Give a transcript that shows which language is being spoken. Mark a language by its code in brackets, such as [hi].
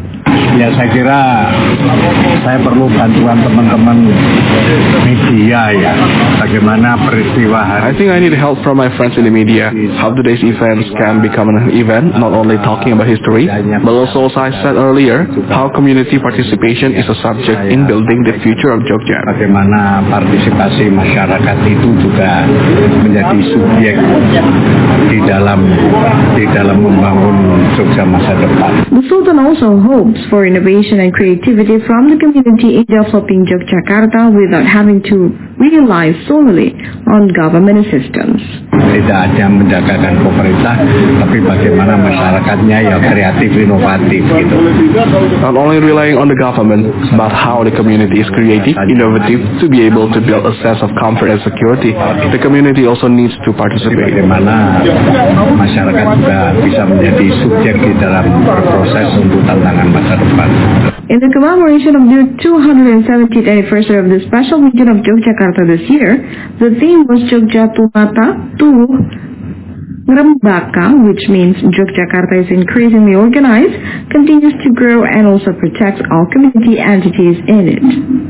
[id] Ya, saya kira saya perlu bantuan teman-teman media ya, bagaimana peristiwa hari. [en] I think I need help from my friends in the media. How today's events can become an event, not only talking about history, but also, as I said earlier, how community participation is a subject in building the future of Jogja. [id] Bagaimana partisipasi masyarakat itu juga menjadi subjek di dalam membangun Jogja masa depan. [en] The Sultan also hopes for innovation and creativity from the community in developing Yogyakarta without having to rely solely on government assistance. [id] Tidak hanya mendagangkan pemerintah, tapi bagaimana masyarakatnya yang kreatif, inovatif gitu. [en] Not only relying on the government, but how the community is creative, innovative, to be able to build a sense of comfort and security. The community also needs to participate. [id] Bagaimana masyarakat juga bisa menjadi subjek di dalam proses untuk tantangan masa depan. [en] In the commemoration of the 270th anniversary of the Special Region of Yogyakarta this year, the theme was Jogja Tumata Tuh Ngrembaka, which means Yogyakarta is increasingly organized, continues to grow, and also protects all community entities in it.